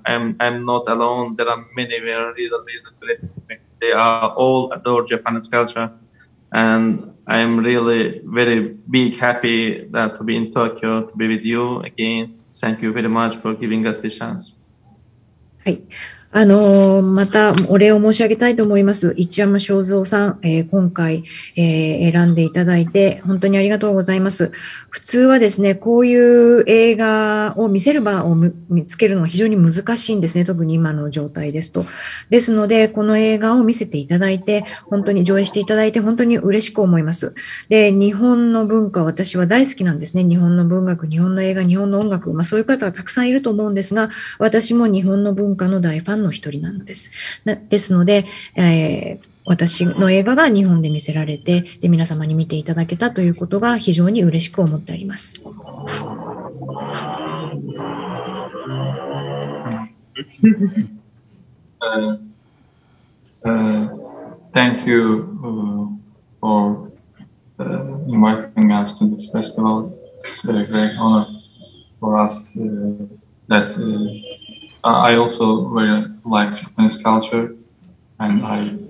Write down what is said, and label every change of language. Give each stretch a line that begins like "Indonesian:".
English: I'm not alone. There are many very little filmmakers. They are all adore Japanese culture. And I am really very big happy that to be in Tokyo, to be with you again. Thank you very much for giving us this chance. Hi.
Japanese: またお礼を申し上げたいと思います。市山正蔵さん、今回、選んでいただいて本当にありがとうございます。普通はですね、こういう映画を見せる場を見つけるのは非常に難しいんですね。特に今の状態ですと。ですので、この映画を見せていただいて、本当に上映していただいて本当に嬉しく思います。で、日本の文化、私は大好きなんですね。日本の文学、日本の映画、日本の音楽、まあそういう方はたくさんいると思うんですが、私も日本の文化の大ファンの一人なのです。ですので、私の映画が日本で見せられて、で皆様に見ていただけたということが非常に嬉しく思っております。
English: Thank you for inviting us to this festival. It's a great honor for us that I also very like Japanese culture and I